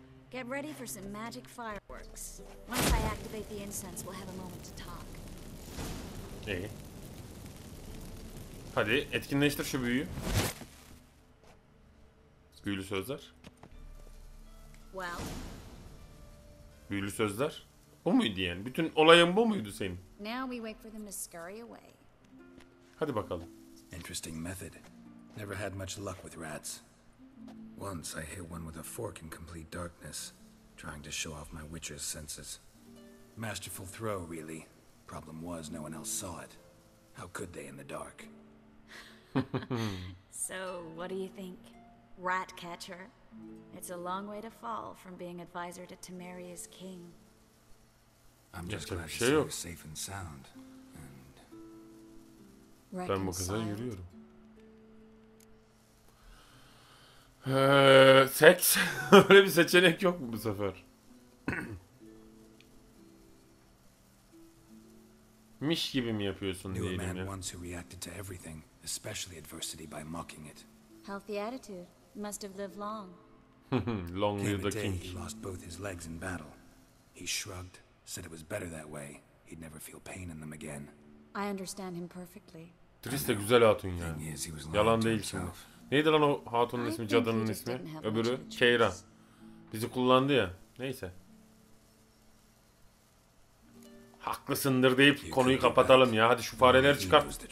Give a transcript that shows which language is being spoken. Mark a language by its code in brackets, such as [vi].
[en] Get ready for some magic fireworks. Once I activate the incense, we'll have a moment to talk. [tr] İyi. Hadi etkinleştir şu büyüyü. Büyülü sözler. [en] Well. [tr] Büyülü sözler. Bu muydu yani? Bütün olayın bu muydu senin? [en] Now we wait for them to scurry away. [tr] Hadi bakalım. [en] Interesting method. Never had much luck with rats. Once I hit one with a fork in complete darkness, trying to show off my witcher's senses. Masterful throw, really. Problem was, no one else saw it. How could they in the dark? So, what do you think? Rat catcher? It's a long way to fall from being advisor to Temeria's king. I'm just glad to see you safe and sound. And [tr] ben bu kıza yürüyorum. Seks. Öyle bir seçenek yok mu bu sefer? Miş gibi mi yapıyorsun diyelim ya? [en] New man once who reacted to everything, especially adversity by mocking it. Healthy attitude. Must have lived long. Long live the king. He lost both his legs in battle. He shrugged, said it was better that way. He'd never feel pain in them again. I understand him perfectly. [tr] Triste güzel hatun ya. Yalan değilsin. Neydi lan o hatunun ismi, cadının ismi? Öbürü Keira. Bizi kullandı ya. Neyse. Haklısındır deyip konuyu kapatalım ya. Hadi şu fareleri çıkar.